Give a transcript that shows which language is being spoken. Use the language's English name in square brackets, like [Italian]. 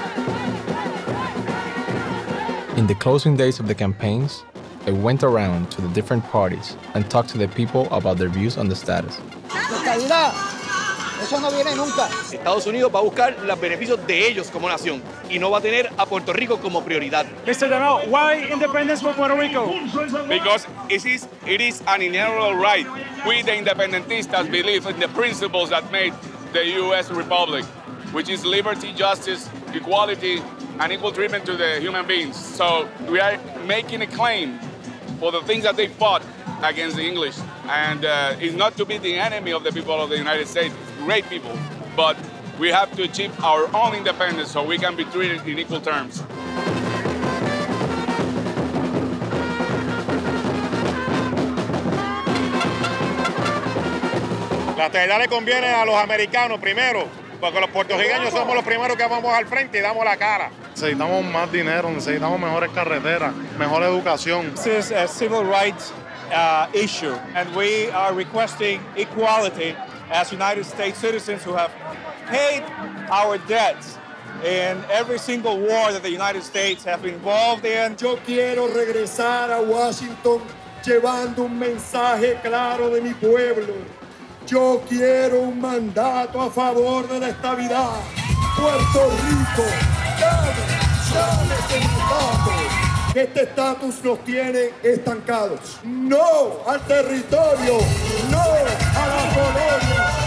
[English] In the closing days of the campaigns, I went around to the different parties and talked to the people about their views on the status. [Spanish] Eso no viene nunca. Estados Unidos va a buscar los beneficios de ellos como nación y no va a tener a Puerto Rico como prioridad. [English] Mr. Demo, why independence for Puerto Rico? Because it is an inalienable right. We the independentistas believe in the principles that made the U.S. Republic, which is liberty, justice, equality, and equal treatment to the human beings. So we are making a claim for the things that they fought against the English. And it's not to be the enemy of the people of the United States, great people, but we have to achieve our own independence so we can be treated in equal terms. [Spanish] La estadidad le conviene a los americanos primero, porque los puertorriqueños somos los primeros que vamos al frente y damos la cara. Necesitamos más dinero, necesitamos mejores carreteras, mejor educación. [English] This is a civil rights issue, and we are requesting equality as United States citizens who have paid our debts in every single war that the United States have been involved in. [Spanish] Yo quiero regresar a Washington llevando un mensaje claro de mi pueblo. Yo quiero un mandato a favor de la estabilidad. Puerto Rico, dame, dame ese mandato. Este estatus nos tiene estancados. No al territorio, no a la colonia.